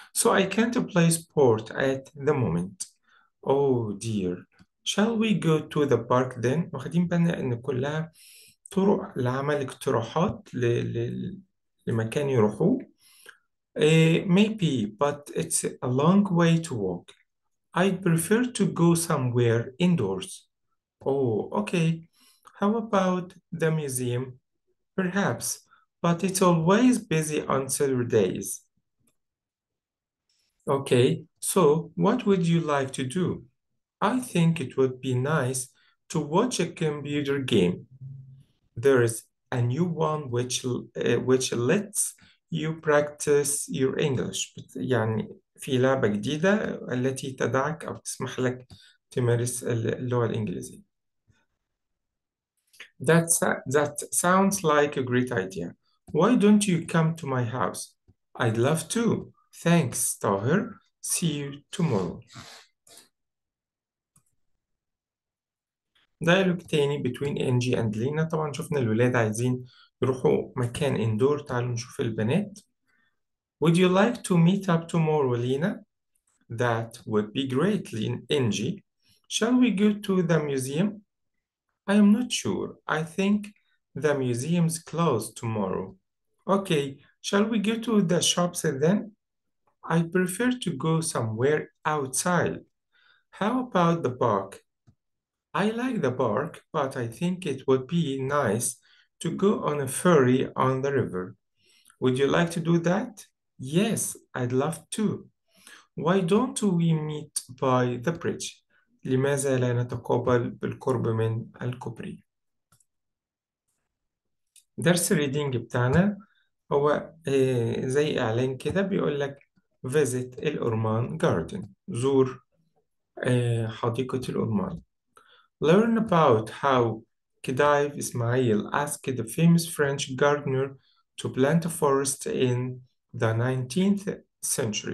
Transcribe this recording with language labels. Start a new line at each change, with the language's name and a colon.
English: So I can't play sport at the moment. Oh dear. Shall we go to the park then?
Arabic: واخدين بالنا إن كلها طرق لعمل اقتراحات لمكان يروحوه.
English: Maybe, but it's a long way to walk. I'd prefer to go somewhere indoors. Oh, okay. How about the museum? Perhaps, but it's always busy on Saturdays. Okay, so what would you like to do? I think it would be nice to watch a computer game. There's a new one which lets you practice your English.
Arabic: يعني في لعبة جديدة التي تدعك أو تسمح لك تمارس اللغة الإنجليزية.
English: That sounds like a great idea. Why don't you come to my house? I'd love to. Thanks, Tahir. See you tomorrow.
Arabic: دايلوج تاني
English: between Angie and Lena.
Arabic: طبعا شفنا الولاد عايزين يروحوا مكان اندور، تعالوا نشوف البنات.
English: Would you like to meet up tomorrow, Lena? That would be great, Angie. Shall we go to the museum? I am not sure. I think the museum's closed tomorrow. Okay, shall we go to the shops then? I prefer to go somewhere outside. How about the park? I like the park, but I think it would be nice to go on a ferry on the river. Would you like to do that? Yes, I'd love to. Why don't we meet by the bridge?
Arabic: لماذا لا نتقابل بالقرب من الكوبري؟ درس الريدينج بتاعنا هو زي إعلان كده بيقول لك visit الأورمان garden، زور حديقة الأورمان.
English: Learn about how Khedive Ismail asked the famous French gardener to plant a forest in the 19th century.